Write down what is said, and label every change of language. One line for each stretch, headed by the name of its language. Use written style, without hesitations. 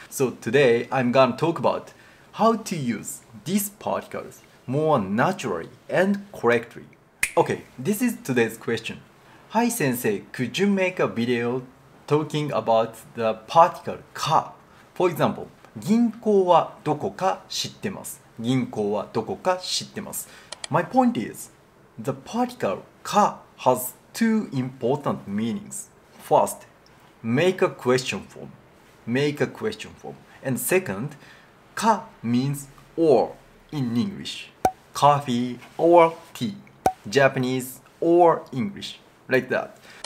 English: So today I'm gonna talk about how to use these particles more naturally and correctly. Okay, this is today's question. Hi sensei, could you make a video talking about the particle ka? For example,
Japanese: 銀行はどこか知ってます。銀行はどこか知ってます。
English: My point is, the particle ka has two important meanings. First, make a question form. Make a question form. And second, ka means or in English. Coffee or tea. Japanese or English. Like that.